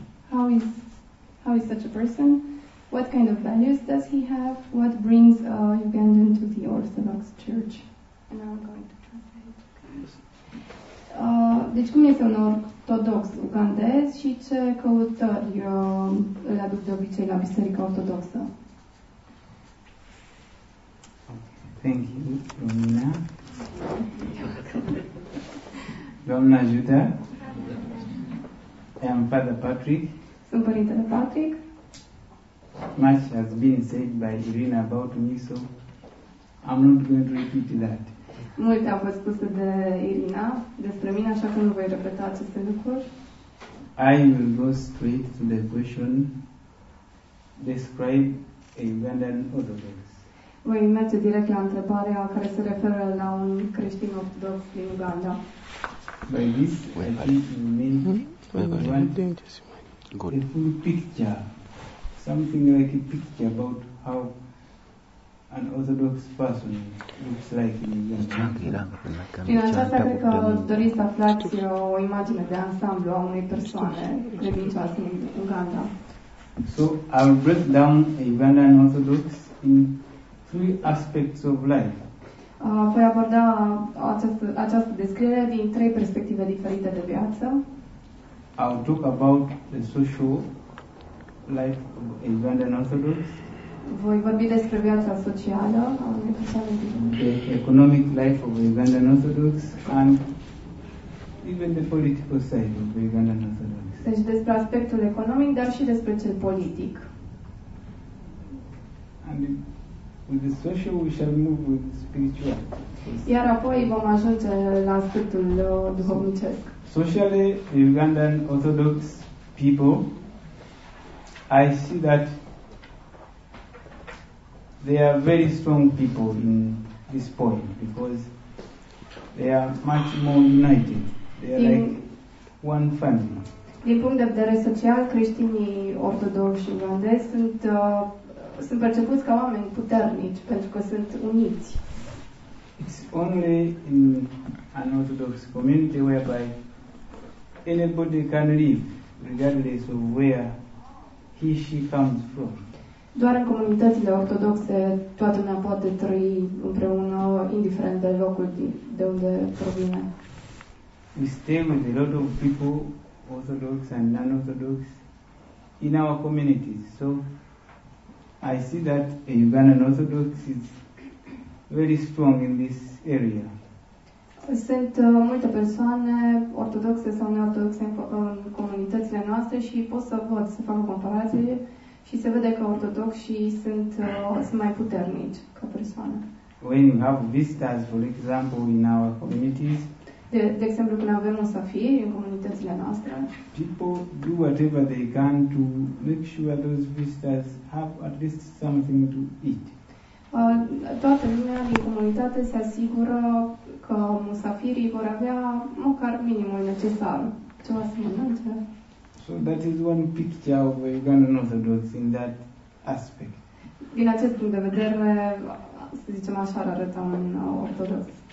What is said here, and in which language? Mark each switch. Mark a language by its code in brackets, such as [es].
[en] How is such a person? What kind of values does he have? What brings a Ugandan to the Orthodox Church? And now I'm going to translate. [ro] Deci cum este un ortodox ugandez și ce căutări îl aduc de obicei la Biserica Ortodoxă? [en] Thank you, Romina. [ro] Doamna [en] Judea. I am Father Patrick. [ro] Sunt Părintele Patrick. [en] Much has been said by Irina about me, so I'm not going to repeat that. [ro] Multe au fost spuse de Irina despre mine, așa că nu voi repeta aceste lucruri. [en] I will go straight to the question. Describe a Ugandan Orthodox. [ro] Voi merge direct la întrebarea care se referă la un creștin ortodox din Uganda. [en] By this, I think you mean a full picture, something like a picture about how an orthodox person looks like in Uganda. [ro] Prin aceasta cred că doriți să aflați o imagine de ansamblu a unei persoane credincioase în Uganda. [en] So I'll break down a Ugandan Orthodox in three aspects of life. [ro] Voi aborda această descriere din trei perspective diferite de viață. [en] I'll talk about the social life of a Ugandan Orthodox. [ro] Voi vorbi despre viața socială a unei persoane. [en] The economic life of a Ugandan Orthodox and even the political side of a Ugandan Orthodox. [ro] Deci despre aspectul economic, dar și despre cel politic. [en] And with the social, we shall move with the spiritual. [ro] Iar apoi vom ajunge la aspectul duhovnicesc. [en] Socially, the Ugandan Orthodox people, I see that they are very strong people in this point because they are much more united. They are like one family. [ro] Din punct de vedere social, creștinii ortodoxi ugandezi sunt percepuți ca oameni puternici pentru că sunt uniți. [en] It's only in an orthodox community whereby anybody can live regardless of where he or she comes from. [ro] Doar în comunitățile ortodoxe toată lumea poate trăi împreună, indiferent de locul de unde provine. [en] We stay with a lot of people, orthodox and non-orthodox, in our communities. So I see that a Ugandan Orthodox is very strong in this area. [ro] Sunt multe persoane ortodoxe sau neortodoxe în comunitățile noastre și pot să văd, să fac o comparație. Și se vede că ortodoxii sunt mai puternici ca persoane. [en] When you have visitors, for example, in our communities. [ro] De exemplu, când avem musafiri în comunitățile noastre. [en] People do whatever they can to make sure those visitors have at least something to eat. [ro] Toată lumea din comunitate se asigură că musafirii vor avea măcar minimul necesar, ceva să mănânce. [en] So that is one picture of a Ugandan Orthodox in that aspect. [ro] Din acest punct de vedere, să zicem așa, arată un ortodox.